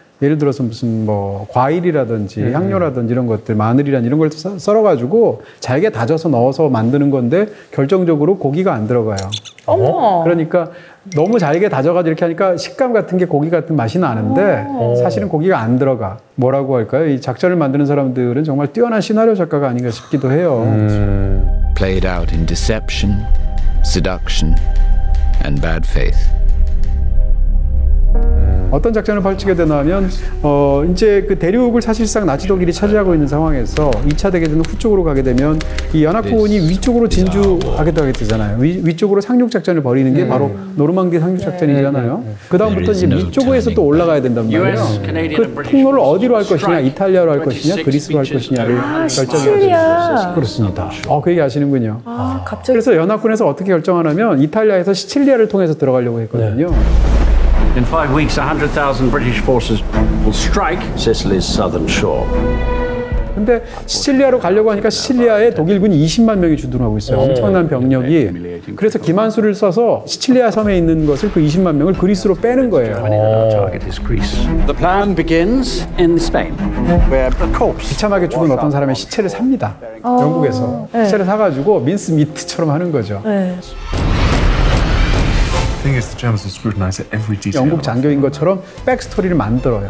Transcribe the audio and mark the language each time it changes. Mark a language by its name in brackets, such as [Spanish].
[Korean] 예를 들어서 무슨 뭐 과일이라든지 향료라든지 이런 것들 마늘이란 이런 걸 썰어가지고 잘게 다져서 넣어서 만드는 건데 결정적으로 고기가 안 들어가요. 어머. 그러니까 너무 잘게 다져가지고 이렇게 하니까 식감 같은 게 고기 같은 맛이 나는데 사실은 고기가 안 들어가. 뭐라고 할까요? 이 작전을 만드는 사람들은 정말 뛰어난 시나리오 작가가 아닌가 싶기도 해요. [English] Played out in deception, seduction, and bad faith. [Korean] 어떤 작전을 펼치게 되냐면 이제 그 대륙을 사실상 나치 독일이 차지하고 있는 상황에서 2차 대전 후쪽으로 가게 되면 이 연합군이 위쪽으로 진주하게 되잖아요. 위쪽으로 상륙 작전을 벌이는 게 바로 노르망디 상륙 작전이잖아요. 그 다음부터 이제 위쪽에서 또 올라가야 된단 말이에요. 그 통로를 어디로 할 것이냐, 이탈리아로 할 것이냐, 그리스로 할 것이냐를 결정하죠. 그렇습니다. 그 얘기 아시는군요. 아, 갑자기. 그래서 연합군에서 어떻게 결정하냐면 이탈리아에서 시칠리아를 통해서 들어가려고 했거든요. 네. [English] In 5 weeks, 100,000 British forces will strike Sicily's southern shore. [Korean] 근데 시칠리아로 가려고 하니까 시칠리아에 독일군이 20만 명이 주둔하고 있어요. 엄청난 병력이. 그래서 기만술을 써서 시칠리아 섬에 있는 것을 그 20만 명을 그리스로 빼는 거예요. [English] The plan begins in Spain, where a corpse. [Korean] 비참하게 죽은 어떤 사람의 시체를 삽니다. 영국에서 시체를 사가지고 민스미트처럼 하는 거죠. [English] thing is the Germans will scrutinize every detail. [Korean] 영국 장교인 것처럼 백스토리를 만들어요.